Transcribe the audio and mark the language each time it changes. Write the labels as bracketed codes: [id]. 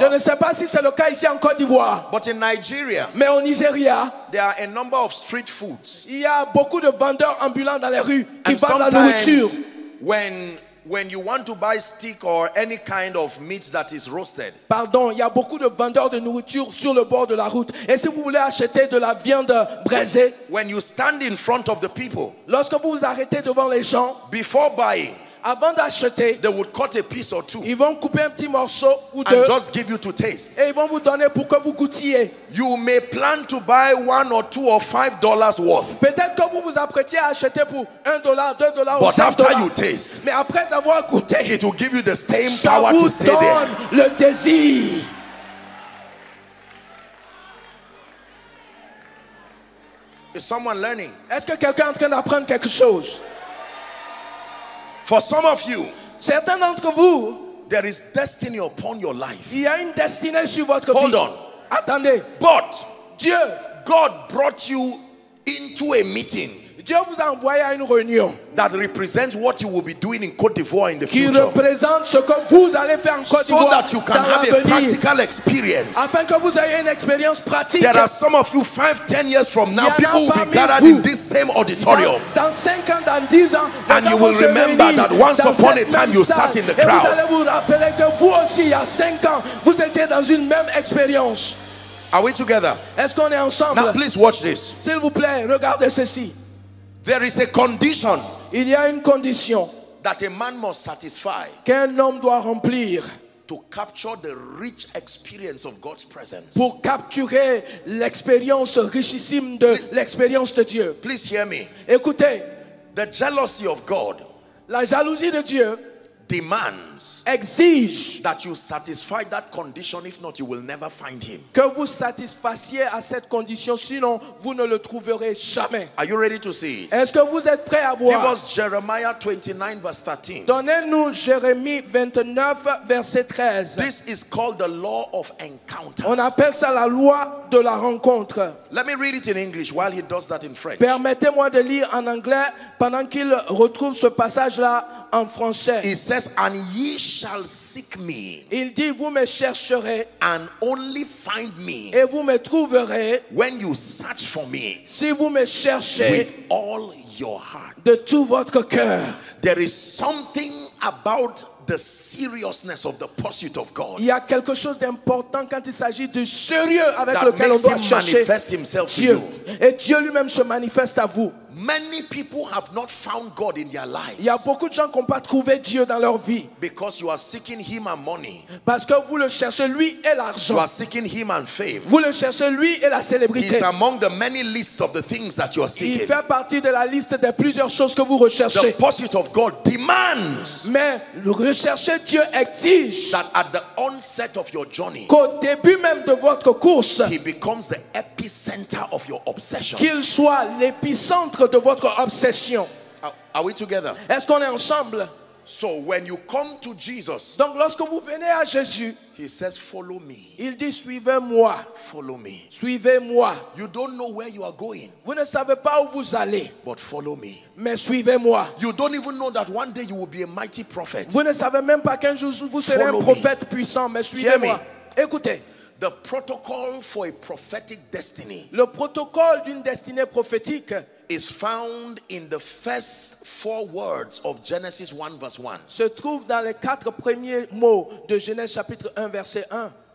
[fr] Je ne sais pas si c'est le cas ici en Côte d'Ivoire. [en] But in Nigeria. [fr] Mais au Nigeria, [en] there are a number of street foods. [fr] Il y a beaucoup de vendeurs ambulants dans les rues qui vendent nourriture. [en] When you want to buy steak or any kind of meat that is roasted. [fr] Pardon, il y a beaucoup de vendeurs de nourriture sur le bord de la route. Et si vous voulez acheter de la viande braisée, [en] when you stand in front of the people, [fr] lorsque vous vous arrêtez devant les gens, [en] before buying, [fr] avant d'acheter, [en] they would cut a piece or two. [fr] Ils vont couper un petit morceau ou [en] and [fr] deux. [en] And just give you to taste. [fr] Et ils vont vous donner pour que vous goûtiez. [en] You may plan to buy $1, $2, or $5 worth. [fr] Peut-être que vous vous apprêtiez à acheter pour $1, $2, [en] but [fr] ou $5. [en] But after you taste, [fr] mais après avoir goûté, [en] it will give you the same power to stay there. [fr] Ça vous donne le désir. [en] Is someone learning? [fr] Est-ce que quelqu'un est en train d'apprendre quelque chose? [en] For some of you, [fr] certains d'entre vous, [en] there is destiny upon your life. [fr] Il y a une destinée sur votre vie. [en] Hold on. [fr] Attendez. [en] But [fr] Dieu, [en] God brought you into a meeting. [fr] Dieu vous a envoyé à une réunion [en] that represents what you will be doing in Côte d'Ivoire in the future. [fr] Qui représente ce que vous allez faire en Côte d'Ivoire. [en] So that you can have a practical experience. [fr] Afin que vous ayez une expérience pratique. [en] There are some of you 5-10 years from now, people will be gathered in this same auditorium. [fr] Dans 5 ans, dans 10 ans, [en] and you will remember that once upon a time you sat in the crowd. [fr] Et vous allez vous rappeler que vous aussi, il y a 5 ans, vous étiez dans une même expérience. [en] Are we together? [fr] Est-ce qu'on est ensemble? [en] Now please watch this. [fr] S'il vous plaît, regardez ceci. [en] There is a condition, [fr] il y a une condition [en] that a man must satisfy, [fr] qu'un homme doit remplir, [en] to capture the rich experience of God's presence, [fr] pour capturer l'expérience richissime de l'expérience de Dieu. [en] Please hear me. [fr] Écoutez, [en] the jealousy of God, [fr] la jalousie de Dieu, [en] demands, [fr] exige [en] that you satisfy that condition, if not you will never find him. [fr] Que vous satisfassiez à cette condition, sinon vous ne le trouverez jamais. [en] Are you ready to see it? [fr] Est-ce que vous êtes prêt à voir? [en] Give us Jeremiah 29 verse 13. [fr] Donnez-nous Jérémie 29 verset 13. [en] This is called the law of encounter. [fr] On appelle ça la loi de la rencontre. [en] Let me read it in English while he does that in French. [fr] Permettez-moi de lire en anglais pendant qu'il retrouve ce passage là en français. [en] He says, and ye shall seek me. [fr] Il dit, vous me chercherez. [en] And only find me. [fr] Et vous me trouverez. [en] When you search for me. [fr] Si vous me cherchez. [en] With all your heart. [fr] De tout votre cœur. [en] There is something about the seriousness of the pursuit of God. [fr] Il y a quelque chose d'important quand il s'agit du sérieux avec [en] that [fr] lequel on doit chercher [en] manifest himself [fr] Dieu. [en] To you. [fr] Et Dieu lui-même se manifeste à vous. [en] Many people have not found God in their lives. [fr] Il y a beaucoup de gens qui n'ont pas trouvé Dieu dans leur vie. [en] Because you are seeking him and money. [fr] Parce que vous le cherchez lui et l'argent. [en] You are seeking him and fame. [fr] Vous le cherchez lui et la célébrité. [en] He is among the many lists of the things that you are seeking. [fr] Il fait partie de la liste des plusieurs choses que vous recherchez. [en] The pursuit of God demands. [fr] Mais rechercher Dieu exige. [en] That at the onset of your journey. [fr] Qu'au début même de votre course. [en] He becomes the epicenter of your obsession. [fr] Qu'il soit l'épicentre de votre obsession. [en] Are we together? [fr] Est-ce qu'on est ensemble? [en] So when you come to Jesus, [fr] donc lorsque vous venez à Jésus, [en] he says, follow me. [fr] Il dit, suivez-moi. [en] Follow me. [fr] Suivez-moi. [en] You don't know where you are going. [fr] Vous ne savez pas où vous allez. [en] But follow me. [fr] Mais suivez-moi. [en] You don't even know that one day you will be a mighty prophet. [fr] Vous ne savez même pas qu'un jour vous serez [en] follow [fr] un prophète [en] me. [fr] Puissant. Mais suivez-moi. Écoutez. [en] The protocol for a prophetic destiny. [fr] Le protocole d'une destinée prophétique [en] is found in the first 4 words of Genesis 1 verse 1. [fr] Se trouve dans les quatre premiers mots de Genèse chapitre 1 verset 1.